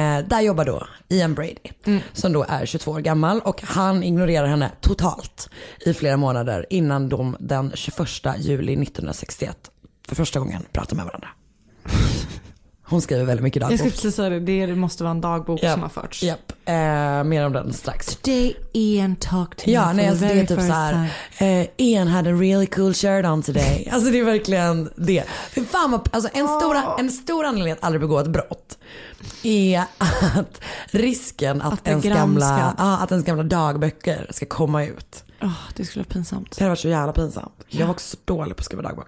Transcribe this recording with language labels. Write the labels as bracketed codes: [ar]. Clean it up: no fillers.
[sv] Där jobbar då Ian Brady, som då är 22 år gammal, och han ignorerar henne totalt i flera månader innan de den 21 juli 1961 för första gången pratar med varandra. Hon skriver väldigt mycket dagbok. Jag skulle säga det måste vara en dagbok som har förts. Yep. Mer om den strax. [en] Today Ian talked to me. [sv] Ja, nej, alltså det är typ så här, [en] Ian had a really cool shirt on today. [sv] Alltså det är verkligen det. För fan vad, alltså en stor anledning att aldrig begå ett brott är att risken att ens gamla dagböcker ska komma ut. Oh, det skulle vara pinsamt. Det var så jävla pinsamt. Jag var också så dålig på att skriva dagbok.